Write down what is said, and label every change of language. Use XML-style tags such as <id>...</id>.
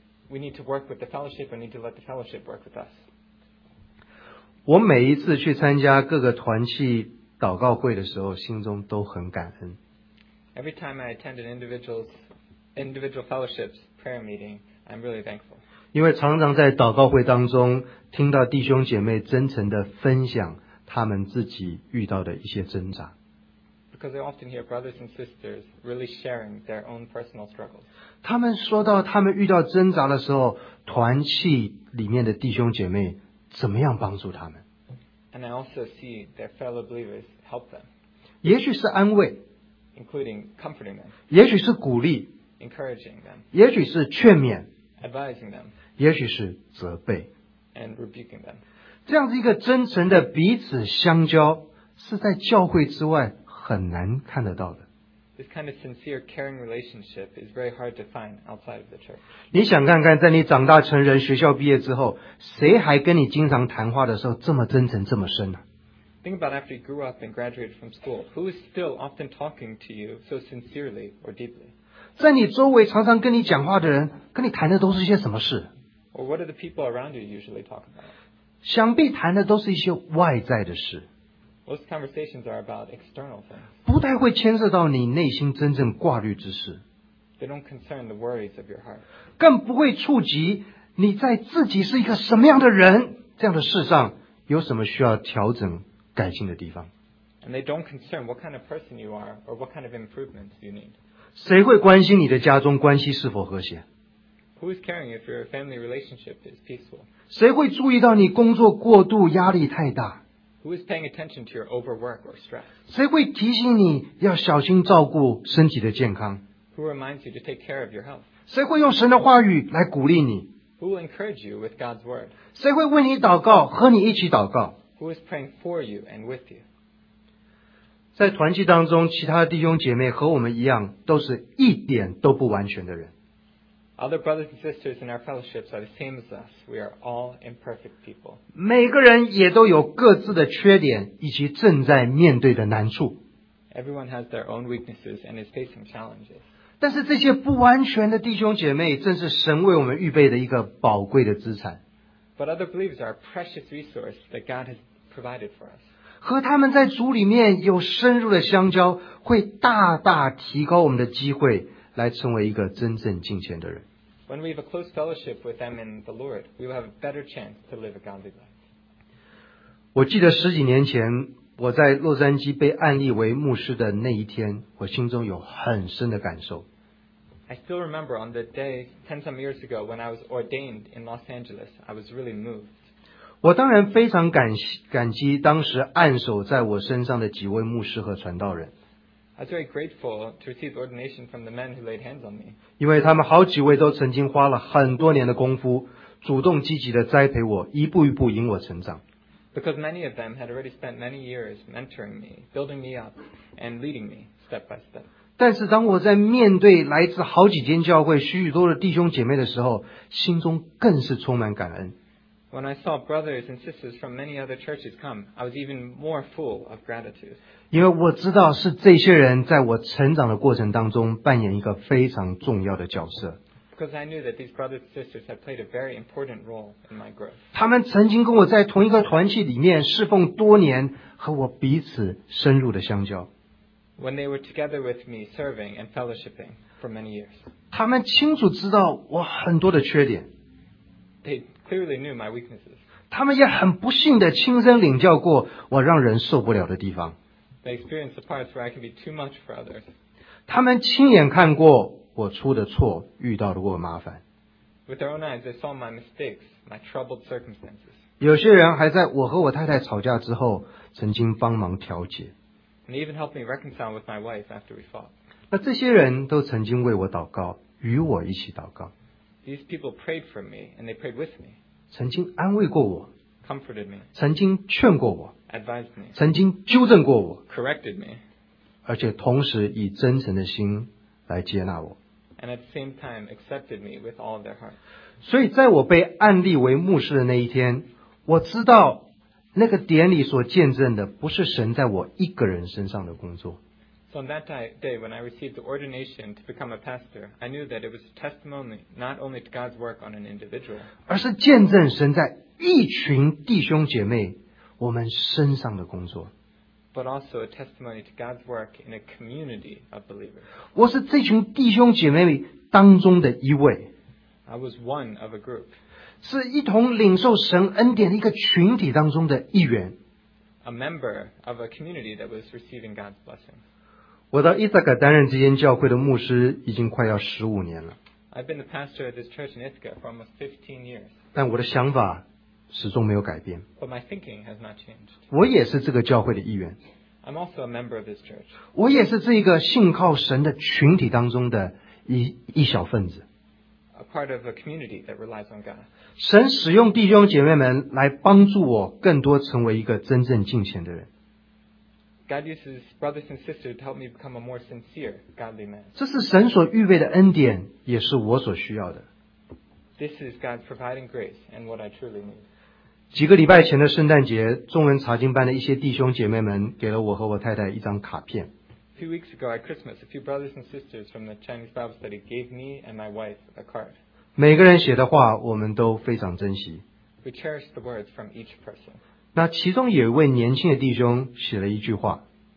<en>We need to let the fellowship work with us.</en> <zh>我每一次去参加各个团契祷告会的时候，心中都很感恩。</zh> <en>Every time I attend an individual fellowship's prayer meeting, I'm really thankful.</en> <zh>因为常常在祷告会当中听到弟兄姐妹真诚的分享他们自己遇到的一些挣扎。</zh> <en>Because I often hear brothers and sisters really sharing their own personal struggles.</en> <zh>他们说到他们遇到挣扎的时候，团契里面的弟兄姐妹怎么样帮助他们。</zh> <en>And I also see their fellow believers help them.</en> <zh>也许是安慰，</zh> <en>including comforting them.</en> <zh>也许是鼓励，</zh> <en>encouraging them.</en> <zh>也许是劝勉，</zh> <en>advising them.</en> <zh>也许是责备，</zh> <en>and rebuking them.</en> <zh>这样子一个真诚的彼此相交，是在教会之外很难看得到的。</zh> <en>This kind of sincere, caring relationship is very hard to find outside of the church.</en> <zh>你想看看，在你长大成人、学校毕业之后，谁还跟你经常谈话的时候这么真诚、这么深呢？</zh> <en>Think about after you grew up and graduated from school, who is still often talking to you so sincerely or deeply?</en> <zh>在你周围常常跟你讲话的人，跟你谈的都是一些什么事？</zh> <en>Or what are the people around you usually talking about?</en> <zh>想必谈的都是一些外在的事。</zh> <en>Most conversations are about external things.</en> <zh>不太会牵涉到你内心真正挂虑之事。</zh> <en>They don't concern the worries of your heart.</en> <zh>更不会触及你在自己是一个什么样的人，这样的事上有什么需要调整改进的地方。</zh> <en>And they don't concern what kind of person you are or what kind of improvements you need.</en> <zh>谁会关心你的家中关系是否和谐？</zh> <en>Who is caring if your family relationship is peaceful?</en> <zh>谁会注意到你工作过度压力太大？</zh> <en>Who is paying attention to your overwork or stress?</en> <zh>谁会提醒你要小心照顾身体的健康？</zh> <en>Who reminds you to take care of your health?</en> <zh>谁会用神的话语来鼓励你？</zh> <en>Who will encourage you with God's word?</en> <zh>谁会为你祷告，和你一起祷告？</zh> <en>Who is praying for you and with you?</en> <zh>在团契当中，其他弟兄姐妹和我们一样，都是一点都不完全的人。</zh> <en>Other brothers and sisters in our fellowships are the same as us. We are all imperfect people.</en> <zh>每个人也都有各自的缺点以及正在面对的难处。</zh> <en>Everyone has their own weaknesses and is facing challenges.</en> <zh>但是这些不完全的弟兄姐妹正是神为我们预备的一个宝贵的资产。</zh> <en>But other believers are a precious resource that God has provided for us.</en> <zh>和他们在主里面有深入的相交，会大大提高我们的机会来成为一个真正敬虔的人。</zh> <en>When we have a close fellowship with them in the Lord, we will have a better chance to live a godly life.</en> <zh>我记得十几年前，我在洛杉矶被案例为牧师的那一天，我心中有很深的感受。</zh> <en>I still remember on the day, 10 some years ago, when I was ordained in Los Angeles, I was really moved.</en> <zh>我当然非常感激当时按手在我身上的几位牧师和传道人。</zh> <en>I was very grateful to receive ordination from the men who laid hands on me.</en> <zh>因为他们好几位都曾经花了很多年的功夫主动积极地栽培我，一步一步引我成长。</zh> <en>Because many of them had already spent many years mentoring me, building me up, and leading me step by step.</en> <zh>但是当我在面对来自好几间教会许许多的弟兄姐妹的时候，心中更是充满感恩。</zh> <en>When I saw brothers and sisters from many other churches come, I was even more full of gratitude.</en> <zh>因为我知道是这些人在我成长的过程当中扮演一个非常重要的角色。</zh> <en>Because I knew that these brothers and sisters had played a very important role in my growth.</en> <zh>他们曾经跟我在同一个团契里面侍奉多年，和我彼此深入的相交。</zh> <en>When they were together with me serving and fellowshipping for many years.</en> <zh>他们清楚知道我很多的缺点。</zh> <en>They clearly knew my weaknesses.</en> <zh>他们也很不幸的亲身领教过我让人受不了的地方。</zh> <en>They experienced the parts where I can be too much for others.</en> <zh>他们亲眼看过我出的错，遇到的过麻烦。</zh> <en>With their own eyes, they saw my mistakes, my troubled circumstances.</en> <zh>有些人还在我和我太太吵架之后，曾经帮忙调解。</zh> <en>And they even helped me reconcile with my wife after we fought.</en> <zh>那这些人都曾经为我祷告，与我一起祷告。</zh> <en>These people prayed for me, and they prayed with me.</en> <zh>曾经安慰过我</zh> <en>，comforted me.</en> <zh>曾经劝过我</zh> <en>，advised me.</en> <zh>曾经纠正过我</zh> <en>，corrected me.</en> <zh>而且同时以真诚的心来接纳我。</zh> <en>And at the same time, accepted me with all their heart.</en> <zh>所以在我被按立为牧师的那一天，我知道那个典礼所见证的不是神在我一个人身上的工作。</zh> <en>So on that day, when I received the ordination to become a pastor, I knew that it was a testimony not only to God's work on an individual,</en> <zh>而是见证神在一群弟兄姐妹我们身上的工作。</zh> <en>But also a testimony to God's work in a community of believers.</en> <zh>我是这群弟兄姐妹当中的一位。</zh> <en>I was one of a group.</en> <zh>是一同领受神恩典的一个群体当中的一员。</zh> <en>A member of a community that was receiving God's blessing.</en> <zh>我到伊萨卡担任这间教会的牧师已经快要15年了。</zh> <en>I've been the pastor of this church in Ithaca for almost 15 years.</en> <zh>但我的想法始终没有改变。</zh> <en>But my thinking has not changed.</en> <zh>我也是这个教会的一员。</zh> <en>I'm also a member of this church.</en> <zh>我也是这个信靠神的群体当中的 一小分子。</zh> <en>A part of a community that relies on God.</en> <zh>神使用弟兄姐妹们来帮助我更多成为一个真正敬虔的人。</zh> <en>God uses brothers and sisters to help me become a more sincere, godly man.</en> <zh>这是神所预备的恩典，也是我所需要的。</zh> <en>This is God's providing grace and what I truly need.</en> <zh>几个礼拜前的圣诞节，中文查经班的一些弟兄姐妹们给了我和我太太一张卡片。</zh> <en>A few weeks ago at Christmas, a few brothers and sisters from the Chinese Bible study gave me and my wife a card.</en> <zh>每个人写的话我们都非常珍惜。</zh> <en>We cherish the words from each person.</en> <zh>那其中有一位年轻的弟兄写了一句话。</zh>